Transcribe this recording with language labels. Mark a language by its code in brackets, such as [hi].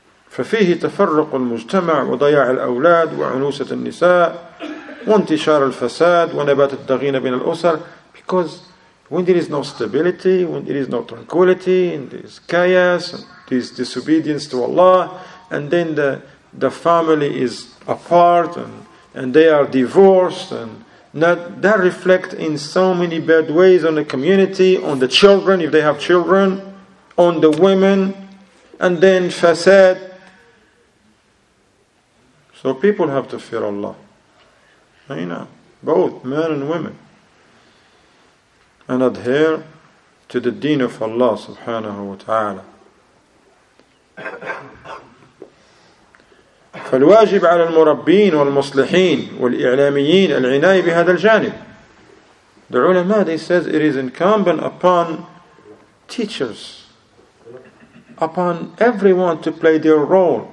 [ar] ففيه تفرق المجتمع وضياع الأولاد وعنوسة النساء وانتشار الفساد ونبات الدغينة بين الأسر. [en] Because when there is no stability, when there is no tranquility, and there is chaos, and there is disobedience to Allah, and then the family is apart, and they are divorced, and that reflects in so many bad ways on the community, on the children, if they have children, on the women, and then fasad. So people have to fear Allah. You know, both men and women. And adhere to the deen of Allah subhanahu wa ta'ala. [ar] فالواجب على المربين والمصلحين والإعلاميين العناية بهذا الجانب. [en] The ulama, they says, it is incumbent upon teachers, upon everyone to play their role.